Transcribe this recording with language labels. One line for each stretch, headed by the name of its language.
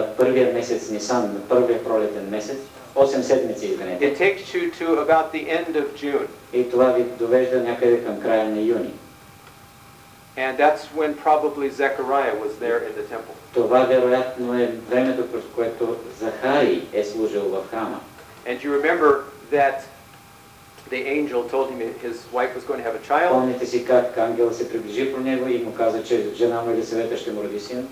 Bulgarian: of Nisan, 8 седмици, извинете.
English: It takes you to about the end of June.
Bulgarian: И това ви довежда някъде към края на юни.
English: And that's when probably Zechariah was there in the temple.
Bulgarian: Това вероятно е времето, през което Захари е служил в храма.
English: And you remember that the angel told him his wife was going to have a child.
Bulgarian: Помните си как ангел се приближи при него и му каза, че жена му Елисавета ще му роди син.